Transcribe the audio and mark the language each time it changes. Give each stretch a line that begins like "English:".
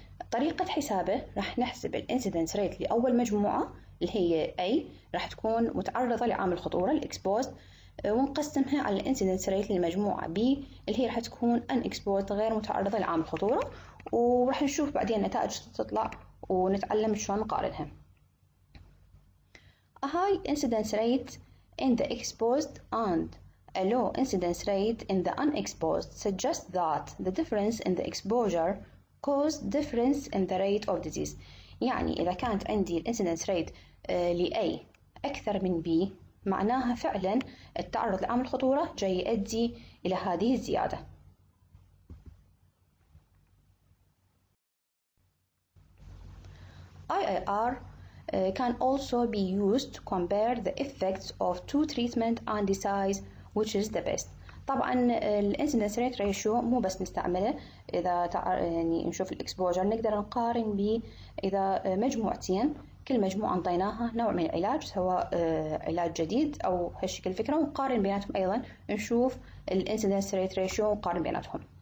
Arabic: طريقة حسابه راح نحسب الانسيدنس ريت لأول مجموعة اللي هي A راح تكون متعرضة لعامل خطورة الإكسبوز، ونقسمها على الانسيدنس ريت للمجموعة B اللي هي راح تكون ان اكسبوزد غير متعرضة لعامل خطورة، وراح نشوف بعدين النتائج تطلع ونتعلم شلون نقارنها.
English: A high incidence rate in the exposed and a low incidence rate in the unexposed suggests that the difference in the exposure caused difference in the rate of disease.
Arabic: يعني إذا كانت عندي incidence rate لA أكثر من B معناها فعلا التعرض لعامل الخطورة جاي يؤدي إلى هذه الزيادة.
English: IIR can also be used to compare the effects of two treatments and decide which is the best.
Arabic: طبعا الـ incidence rate ratio مو بس نستعمله إذا يعني نشوف الـ exposure، نقدر نقارن به إذا مجموعتين كل مجموعة أعطيناها نوع من العلاج سواء علاج جديد أو هالشكل الفكرة، ونقارن بيناتهم أيضا نشوف الـ incidence rate ratio ونقارن بيناتهم.